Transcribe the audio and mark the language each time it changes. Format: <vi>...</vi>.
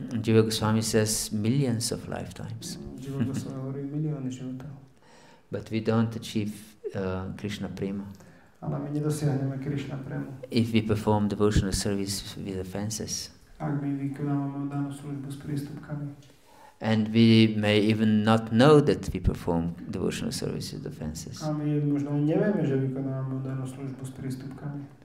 <en>Jiva Goswami says millions of lifetimes.</en> <sk>Jiva Goswami hovorí milióny životov.</sk> <en>But we don't achieve Krishna Prema.</en> <sk>Ale my nedosiahneme Krishna Prema.</sk> <en>If we perform devotional service with offenses.</en> <sk>Ak my vykonávame oddanú službu s prístupkami.</sk> <en>And we may even not know that we perform devotional service with offenses.</en> <sk>A my možno nevieme, že vykonávame oddanú službu s prístupkami.</sk>